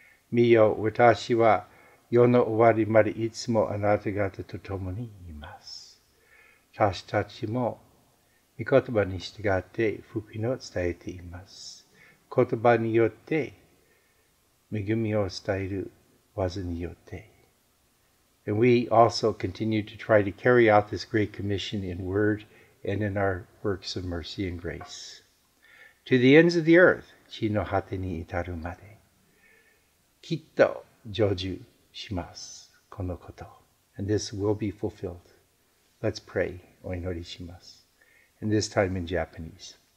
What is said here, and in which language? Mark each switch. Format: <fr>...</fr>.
<ja>見よ、私は世の終わりまでいつもあなた方と共にいます。私たちも御言葉に従って福音を伝えています。言葉によって恵みを伝える技によって。</ja> <en>And we also continue to try to carry out this great commission in word. And in our works of mercy and grace. To the ends of the earth,</en> <ja>地の果てに至るまで。きっと成就します、このこと。</ja> <en>And this will be fulfilled. Let's pray,</en> <ja>お祈りします。</ja> <en>And this time in Japanese.</en>